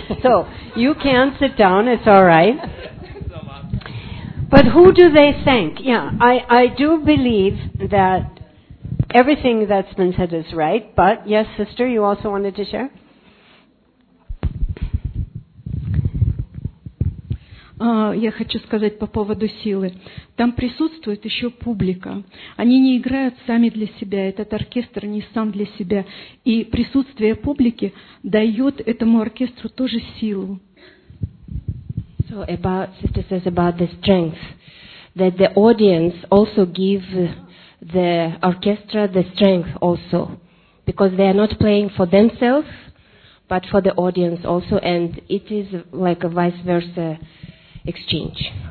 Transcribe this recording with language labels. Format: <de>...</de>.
<en>So, you can sit down, it's all right. But who do they thank? Yeah, I do believe that everything that's been said is right, but yes, sister, you also wanted to share?</en> <ru>Я хочу сказать по поводу силы. Там присутствует еще публика. Они не играют сами для себя, этот оркестр не сам для себя. И присутствие публики дает этому оркестру тоже силу.</ru> <en>So about, sister says about the strength, that the audience also give the orchestra the strength also, because they are not playing for themselves but for the audience also, and it is like a vice versa exchange.</en>